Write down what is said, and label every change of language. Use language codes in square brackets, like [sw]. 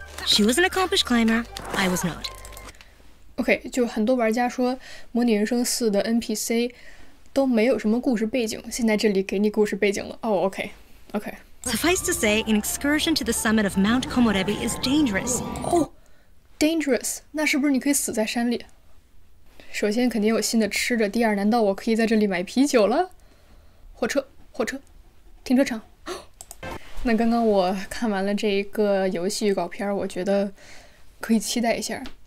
[en] She was an accomplished climber, I was not [zh] OK， 就很多玩家说《模拟人生4》的 NPC 都没有什么故事背景，现在这里给你故事背景了。哦、OK。 [en] Suffice to say, an excursion to the summit of Mount Komorebi is dangerous. [zh] 哦 ，dangerous， 那是不是你可以死在山里？首先肯定有新的吃的，第二，难道我可以在这里买啤酒了？火车，停车场。那刚刚我看完了这一个游戏预告片，我觉得可以期待一下。